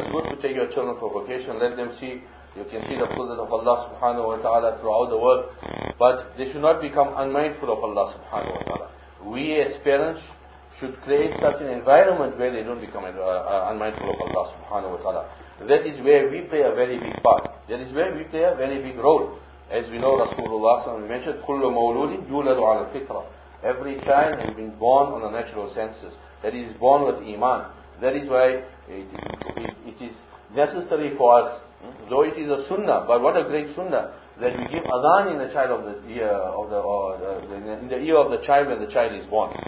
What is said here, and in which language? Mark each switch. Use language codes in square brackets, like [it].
[en] It's good to take your children for vacation, let them see. You can see the qudrat of Allah subhanahu wa ta'ala throughout the world. But they should not become unmindful of Allah subhanahu wa ta'ala. We as parents should create such an environment where they don't become unmindful of Allah subhanahu wa ta'ala. That is where we play a very big part. That is where we play a very big role. As we know, Rasulullah s.a.w. mentioned, [ar] كُلُّ مَوْلُودٍ يُولَدُ عَلَى الْفِطْرَةِ. [en] Every child has been born on a natural census. That is, born with iman. That is why it is necessary for us, though it is a sunnah, but what a great sunnah, that we give adhan in the child of the ear of the, or in the ear of the child when the child is born.